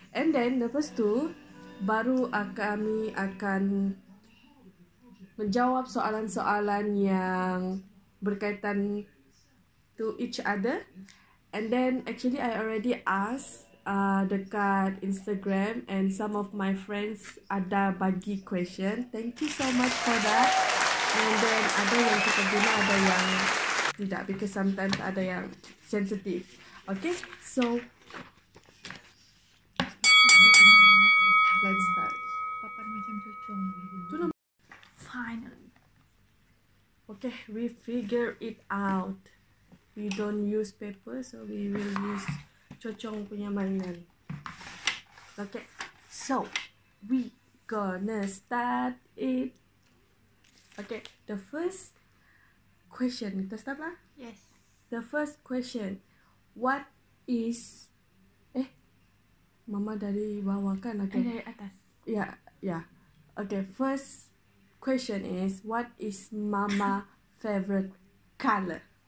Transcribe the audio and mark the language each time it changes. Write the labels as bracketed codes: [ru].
[en] And then [ms] lepas tu baru kami akan menjawab soalan-soalan yang berkaitan [en] to each other. And then actually I already asked [ms] dekat [en] Instagram, and some of my friends [ms] ada bagi [en] question. Thank you so much for that. And then [ms] ada yang kita guna, ada yang tidak, [en] because sometimes [ms] ada yang sensitive. [en] Okay, so let's start. [ms] Papan macam cucung. [en] Finally. Okay, we figure it out. We don't use paper, so we will use cucung [ms] punya mainan. [en] Okay, so we gonna start it. Okay, the first question. [ms] Kita start lah. [en] Yes. The first question. What is [ms] mama dari bawah kan? [en] Okay. [ms] Dari atas. [en] Yeah. Okay, first question is, what is mama favorite color?